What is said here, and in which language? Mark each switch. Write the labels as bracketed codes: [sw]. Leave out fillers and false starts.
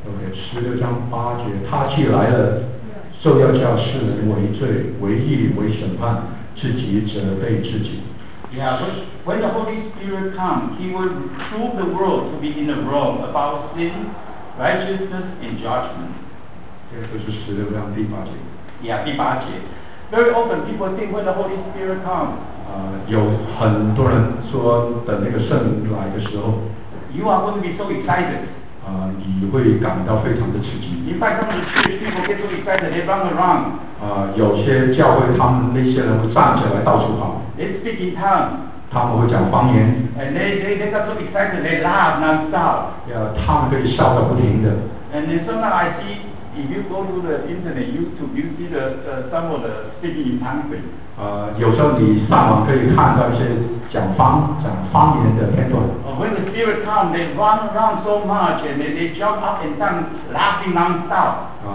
[zh] Okay, 16章8节，他既来了，受要叫世人为罪、为义、为审判，自己责备自己。 [en] Yeah, when the Holy Spirit comes, He will prove the world to be in the wrong about sin, righteousness, and judgment. [zh] 就是十六章第八节。 Yeah, 第八节。 [en] Very often people think when the Holy Spirit comes. [zh] 有很多人说等那个圣灵来的时候。 [en] You are going to be so excited. [zh] 你会感到非常的刺激。 [en] In fact, some of the church people get so excited, they run around. [zh] 有些教会他们那些人会站起来到处跑。 [en] They speak in tongues. [zh] 他们会讲方言。 [en] And they got so excited, they laugh non-stop. [zh] Yeah, 他们可以笑得不停的。 [en] And then sometimes I see, if you go to the internet, YouTube, you see some of the speaking in tongues. [zh] 有时候你上网可以看到一些讲方言的片段。 [en] When the spirit comes, they run around so much, and they jump up and down, laughing non-stop.